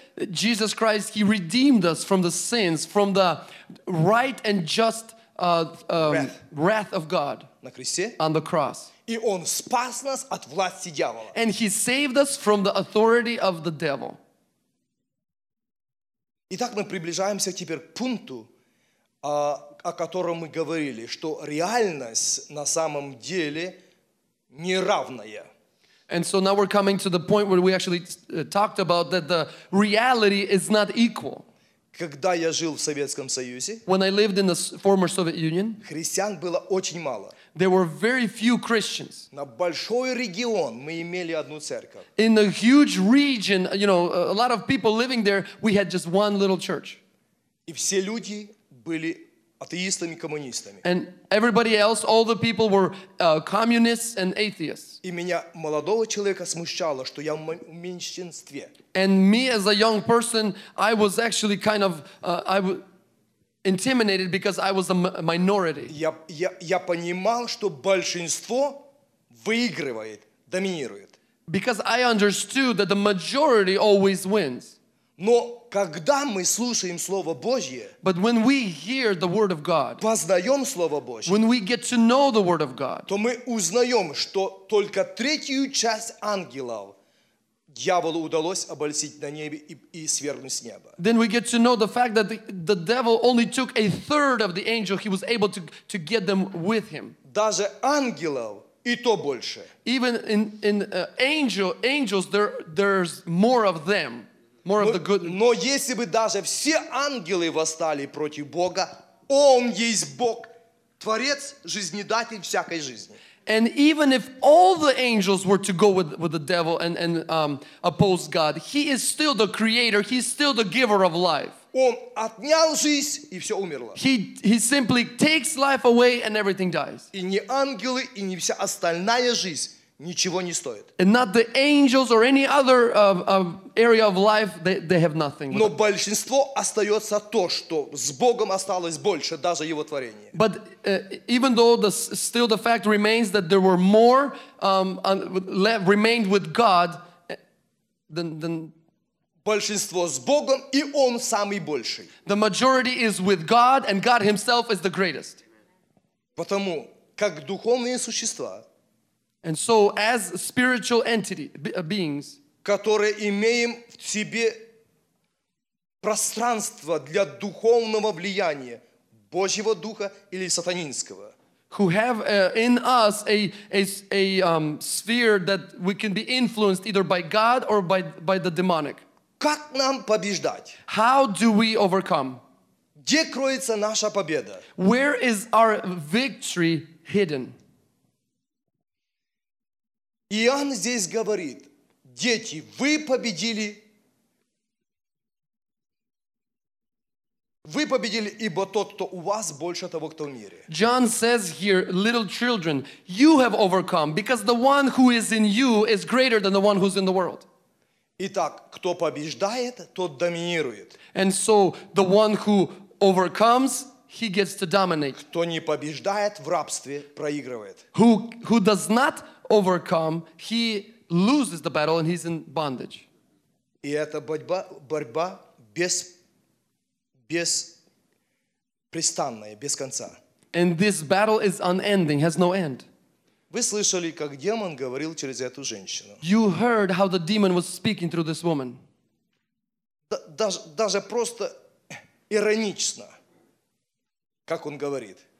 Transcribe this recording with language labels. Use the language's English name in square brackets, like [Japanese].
[English] Jesus Christ, He redeemed us from the sins, from the right and just wrath of God on the cross. [Russian] И Он спас нас от власти дьявола. [English] And He saved us from the authority of the devil. [Russian] Итак, мы приближаемся теперь к пункту, о котором мы говорили, что реальность на самом деле неравная. [English] And so now we're coming to the point where we actually talked about that the reality is not equal. [Russian] Когда я жил в Советском Союзе, [English] when I lived in the former Soviet Union, [Russian] христиан было очень мало. [English] There were very few Christians. [Russian] На большой регион мы имели одну церковь. [English] In a huge region, you know, a lot of people living there, we had just one little church. [Russian] И все люди были атеистами, коммунистами. [English] And everybody else, all the people were communists and atheists. [Russian] И меня молодого человека смущало, что я в меньшинстве. [English] And me as a young person, I was actually kind of intimidated because I was a minority. [Russian] Я понимал, что большинство выигрывает, доминирует. [English] Because I understood that the majority always wins. [Russian] Но когда мы слушаем Слово Божье, [English] but when we hear the Word of God, [Russian] познаем Слово Божье, [English] when we get to know the Word of God, [Russian] то мы узнаем, что только третью часть ангелов дьяволу удалось обольстить на небе и свергнуть с неба. [English] Then we get to know the fact that the devil only took a third of the angel he was able to get them with him. [Russian] Даже ангелов и то больше. [English] Even in angels, there's more of them. More of the good. [Russian] Но если бы даже все ангелы восстали против Бога, Он есть Бог, Творец, жизнедатель всякой жизни. [English] And even if all the angels were to go with the devil and oppose God, He is still the Creator. He's still the giver of life. [Russian] Он отнял жизнь и все умерло. [English] He simply takes life away and everything dies. [Russian] И не ангелы и не вся остальная жизнь. Ничего не стоит. [English] And not the angels or any other area of life, they have nothing. [Russian] Но большинство остается то, что с Богом осталось больше, даже его творение. [English] But even though still the fact remains that there were more remained with God than [Russian] большинство с Богом и Он самый больший. [English] The majority is with God and God Himself is the greatest. [Russian] Потому как духовные существа. [English] And so, as spiritual entity beings, [Russian] которые имеем в себе пространство для духовного влияния Божьего духа или сатанинского, [English] who have in us a sphere that we can be influenced either by God or by the demonic. [Russian] Как нам побеждать? [English] How do we overcome? [Russian] Где кроется наша победа? [English] Where is our victory hidden? [Russian] Иоанн здесь говорит, дети, вы победили, ибо тот, кто у вас, больше того, кто в мире. [English] John says here, little children, you have overcome, because the one who is in you is greater than the one who's in the world. [Russian] Итак, кто побеждает, тот доминирует. [English] And so, the one who overcomes, he gets to dominate. [Russian] Кто не побеждает, в рабстве проигрывает. [English] Who does not overcome, he loses the battle and he's in bondage. [Russian] И это борьба беспрестанная, без конца. [English] And this battle is unending, has no end. [Russian] Вы слышали, как демон говорил через эту женщину? [English] You heard how the demon was speaking through this woman. [Russian] Даже просто иронично, как он говорит.